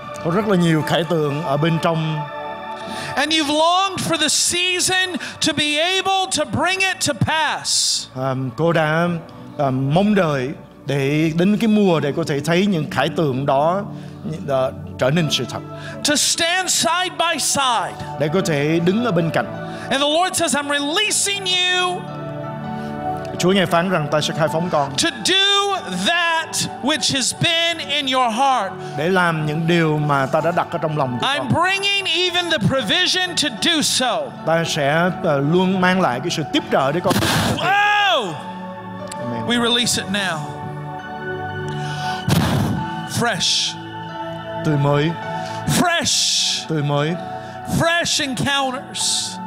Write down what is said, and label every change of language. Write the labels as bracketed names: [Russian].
[Vietnamese] Có rất là nhiều khải tượng ở bên trong. [English] And you've longed for the season to be able to bring it to pass. [Vietnamese] Cô đã mong đợi để đến cái mùa để có thể thấy những khải tượng đó trở nên sự thật. [English] To stand side by side. [Vietnamese] Để có thể đứng ở bên cạnh. [English] And the Lord says, I'm releasing you. [Vietnamese] Chúa nghe phán rằng ta sẽ khai phóng con. [English] To do that which has been in your heart. [Vietnamese] Để làm những điều mà ta đã đặt ở trong lòng của con. [English] I'm bringing even the provision to do so. [Vietnamese] Ta sẽ luôn mang lại cái sự tiếp trợ để con. [English] Amen. We release it now. Fresh. [Vietnamese] Tươi mới. [English] Fresh. [Vietnamese] Tươi mới. [English] Fresh encounters.